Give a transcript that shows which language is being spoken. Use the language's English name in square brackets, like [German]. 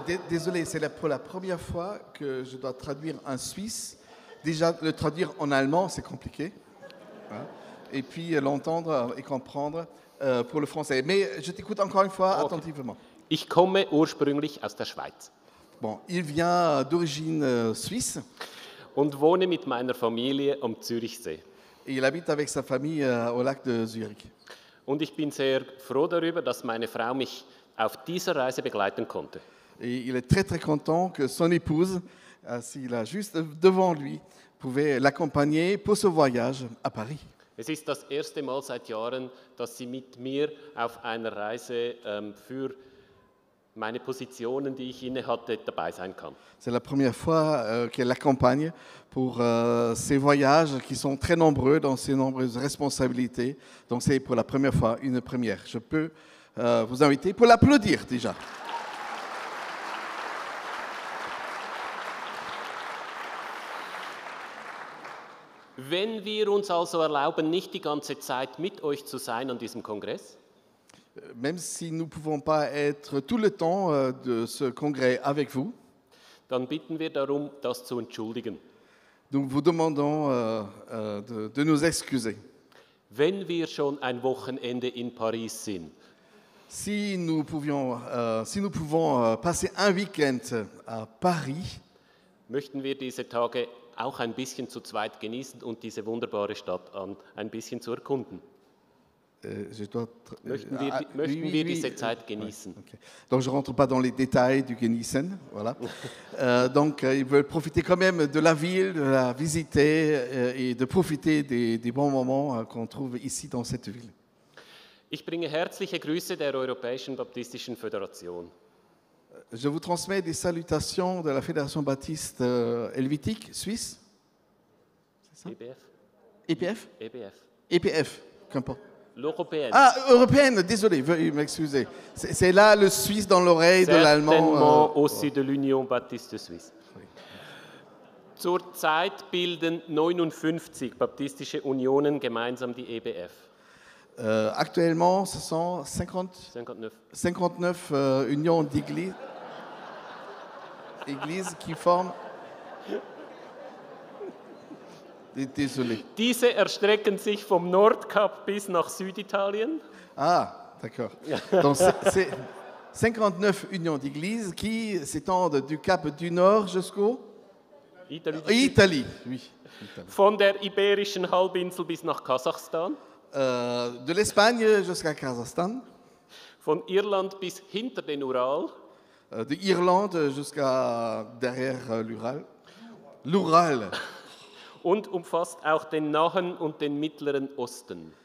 [French] Désolé, c'est pour la première fois que je dois traduire un Suisse. Déjà, le traduire en allemand, c'est compliqué. Hein? Et puis l'entendre et comprendre pour le français. Mais je t'écoute encore une fois attentivement. [German] Ich komme ursprünglich aus der Schweiz. [French] Bon, il vient d'origine suisse. [German] Und wohne mit meiner Familie am Zürichsee. [French] Et il habite avec sa famille au lac de Zurich. [German] Und ich bin sehr froh darüber, dass meine Frau mich auf dieser Reise begleiten konnte. [French] Et il est très très content que son épouse, s'il a juste devant lui, pouvait l'accompagner pour ce voyage à Paris. [German] Es ist das erste Mal seit Jahren, dass sie mit mir auf einer Reise für meine Positionen, die ich inne hatte, dabei sein kann. [French] C'est la première fois qu'elle l'accompagne pour ces voyages qui sont très nombreux dans ses nombreuses responsabilités. Donc c'est pour la première fois une première. Je peux vous inviter pour l'applaudir déjà. [German] Wenn wir uns also erlauben, nicht die ganze Zeit mit euch zu sein an diesem Kongress, [French] même si nous pouvons pas être tout le temps de ce congrès avec vous, [German] dann bitten wir darum, das zu entschuldigen. [French] Nous vous demandons de nous excuser. [German] Wenn wir schon ein Wochenende in Paris sind, [French] si nous pouvons passer un week-end à Paris, [German] möchten wir diese Tage auch ein bisschen zu zweit genießen und diese wunderbare Stadt ein bisschen zu erkunden. Möchten wir diese Zeit genießen? Okay. [French] Donc je rentre pas dans les détails du genießen, voilà. ils veulent profiter quand même de la ville, de la visiter et de profiter des bons moments qu'on trouve ici dans cette ville. [German] Ich bringe herzliche Grüße der Europäischen Baptistischen Föderation. [French] Je vous transmets des salutations de la Fédération Baptiste Helvétique, Suisse. C'est ça? EBF. EPF? EBF. EPF, qu'importe. L'européenne. Ah, européenne, désolé, veuillez m'excuser. C'est là le Suisse dans l'oreille de l'allemand. Certainement aussi de l'Union Baptiste Suisse. Oui. [German] Zurzeit bilden 59 baptistische Unionen gemeinsam die EBF. [French] Actuellement, ce sont 59 unions d'églises églises qui forment. Désolé. [German] Diese erstrecken sich vom Nordkap bis nach Süditalien. [French] Ah, d'accord. Donc, c'est 59 unions d'églises qui s'étendent du Cap du Nord jusqu'au. Italie, oui. [German] Von der Iberischen Halbinsel bis nach Kasachstan. [French] De l'Espagne jusqu'à Kasachstan. [German] Von Irland bis hinter den Ural. [French] De Irlande jusqu'à derrière l'Ural. L'Ural. [German] Und umfasst auch den Nahen und den Mittleren Osten.